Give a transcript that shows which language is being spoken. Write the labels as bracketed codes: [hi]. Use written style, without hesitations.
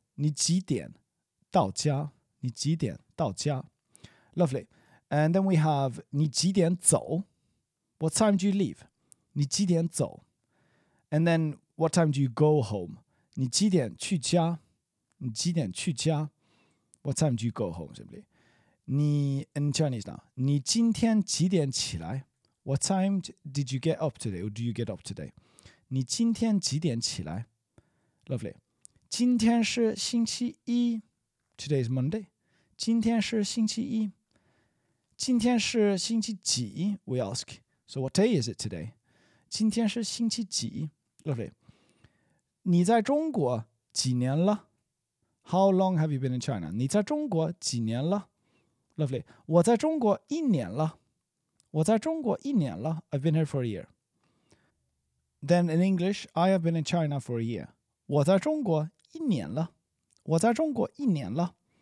[zh] 你几点到家？你几点到家?Lovely. [en] And then we have [zh] 你几点走? [en] What time do you leave? [zh] 你几点走? [en] And then what time do you go home? [zh] 你几点去家?你几点去家? [en] What time do you go home, simply? [zh] 你, [en] in Chinese now, [zh] 你今天几点起来? [en] What time did you get up today? Or do you get up today? [zh] 你今天几点起来? [en] Lovely. [zh] 今天是星期一。 [en] Today is Monday. [zh] 今天是星期一。今天是星期几? [en] We ask. So what day is it today? [zh] 今天是星期几? Lovely. 你在中国几年了? [en] How long have you been in China? [zh] 你在中国几年了?Lovely. 我在中国一年了。我在中国一年了。 [en] I've been here for a year. Then in English, I have been in China for a year. [zh] 我在中国一年了。我在中国一年了。